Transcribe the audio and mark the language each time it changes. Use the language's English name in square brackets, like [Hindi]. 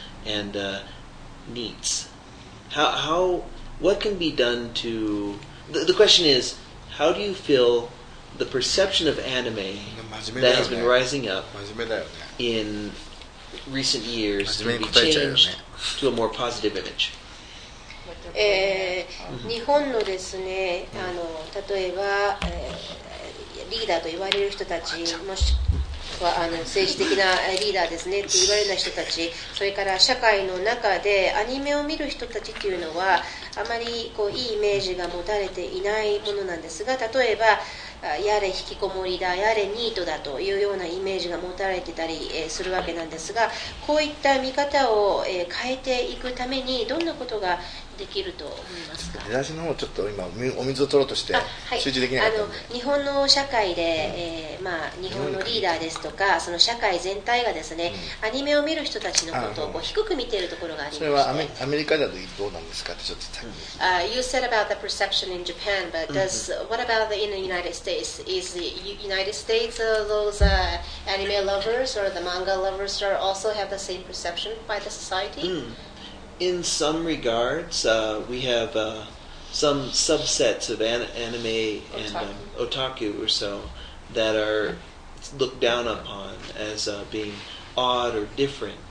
[English] And needs. How? What can be done to? The question is, how do you feel the perception of anime that has been rising up in recent years can be changed to a more positive image? [Japanese] 日本のですね、あの例えばリーダーと言われる人たち、もし。はあの政治的なリーダーですねって言われた人たち、それから社会の中でアニメを見る人たちっていうのはあまりこういいイメージが持たれていないものなんですが、例えばやれ引きこもりだ、やれニートだというようなイメージが持たれてたりするわけなんですが、こういった見方を変えていくためにどんなことができると思いますか。出だしの方ちょっと今お水を取ろうとして集中できなかったんで、日本の社会で、日本のリーダーですとかその社会全体がですね、アニメを見る人たちのことをこう低く見ているところがありまして、それはアメリカだとどうなんですかってちょっと言った。 [English] You said about the perception in Japan, but does what about the, in the United States? Is the United States those anime lovers or the manga lovers are also have the same perception by the society? In some regards, we have some subsets of anime and otaku or so that are looked down upon as being odd or different.